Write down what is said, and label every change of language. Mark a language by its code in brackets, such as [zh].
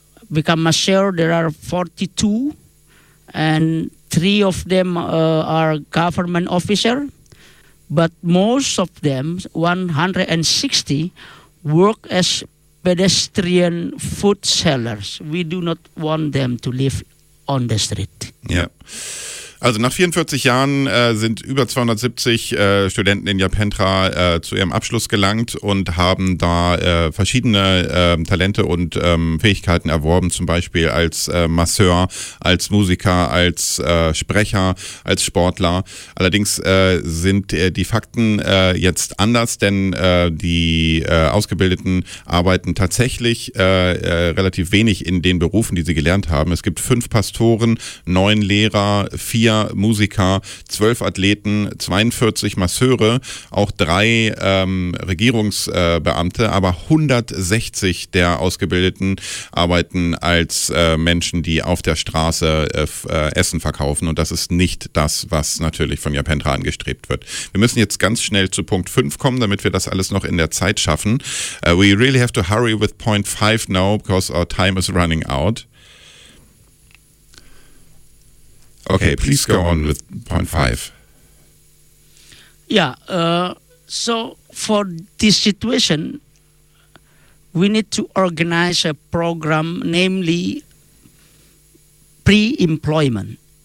[en] become masseur, there are 42, and 3 of them are government officer, but most of them, 160, work as pedestrian food sellers. We do not want them to live on the street. Yeah. [de] Also nach 44 Jahren sind über 270 Studenten in Japentra zu ihrem Abschluss gelangt und haben da verschiedene Talente und Fähigkeiten erworben, zum Beispiel als Masseur, als Musiker, als Sprecher, als Sportler. Allerdings sind die Fakten jetzt anders, denn die Ausgebildeten arbeiten tatsächlich relativ wenig in den Berufen, die sie gelernt haben. Es gibt 5 Pastoren, 9 Lehrer, 4 Musiker, 12 Athleten, 42 Masseure, auch 3 Regierungsbeamte, aber 160 der Ausgebildeten arbeiten als Menschen, die auf der Straße Essen verkaufen, und das ist nicht das, was natürlich von Japentra angestrebt wird. Wir müssen jetzt ganz schnell zu Punkt 5 kommen, damit wir das alles noch in der Zeit schaffen. [en] We really have to hurry with point 5 now, because our time is running out. Okay, please go on with point 5. Yeah, so for this situation, we need to organize a program, namely pre-employment.